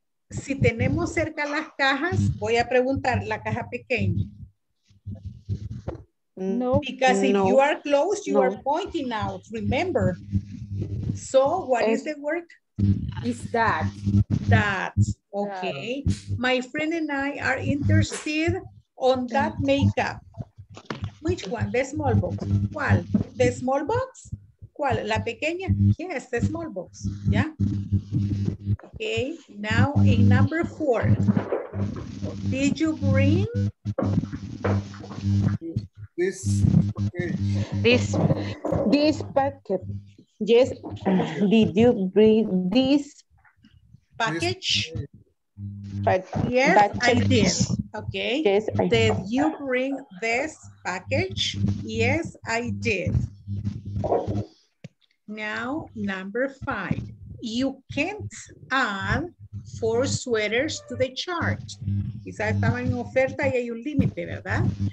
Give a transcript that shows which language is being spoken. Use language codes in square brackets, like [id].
[es] Si tenemos cerca las cajas, voy a preguntar la caja pequeña. No. [en] Because if you are close, you are pointing out, remember. So, what is the word? Is that. That. Okay. Yeah. My friend and I are interested on that makeup. Which one? The small box. [es] ¿Cuál? [en] The small box? [es] ¿Cuál? La pequeña. [en] Yes, the small box. Yeah. Okay, now in number four. Did you bring this package? Yes, did you bring this package? But yes, I did. Okay. Yes, I did. You bring this package? Yes, I did. Now, number five. You can't add four sweaters to the chart. [es] Quizás estaba en oferta y hay un límite, ¿verdad?